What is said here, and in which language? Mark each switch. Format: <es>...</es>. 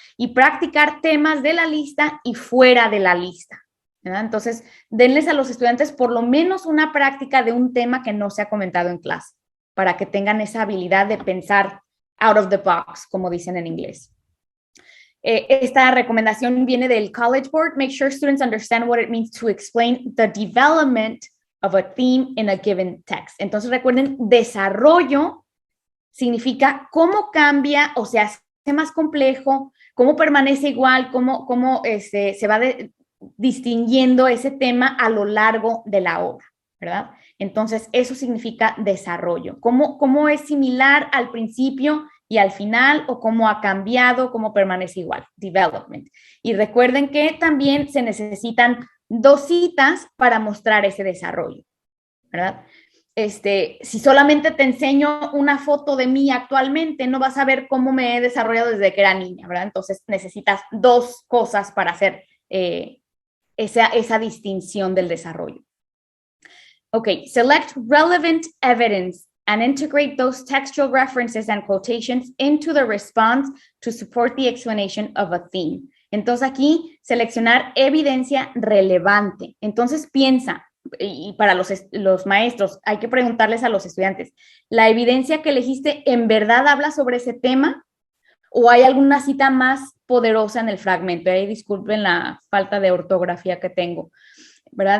<es>Y practicar temas de la lista y fuera de la lista, ¿verdad? Entonces, denles a los estudiantes por lo menos una práctica de un tema que no se ha comentado en clase, para que tengan esa habilidad de pensar</es> <en>out of the box,</en> <es>como dicen en inglés. Esta recomendación viene del College Board.</es> <en>Make sure students understand what it means to explain the development of a theme in a given text.</en> <es>Entonces, recuerden, desarrollo significa cómo cambia o se hace más complejo, cómo permanece igual, cómo se va distinguiendo ese tema a lo largo de la obra, ¿verdad? Entonces, eso significa desarrollo. ¿Cómo es similar al principio y al final, o cómo ha cambiado, cómo permanece igual? Development. Y recuerden que también se necesitan dos citas para mostrar ese desarrollo, ¿verdad? Si solamente te enseño una foto de mí actualmente, no vas a ver cómo me he desarrollado desde que era niña, ¿verdad? Entonces necesitas dos cosas para hacer esa distinción del desarrollo.</es> <en>Ok, select relevant evidence and integrate those textual references and quotations into the response to support the explanation of a theme.</en> <es>Entonces aquí, seleccionar evidencia relevante. Entonces piensa, y para los maestros, hay que preguntarles a los estudiantes, ¿la evidencia que elegiste en verdad habla sobre ese tema? ¿O hay alguna cita más poderosa en el fragmento? Ahí disculpen la falta de ortografía que tengo, ¿verdad?</es>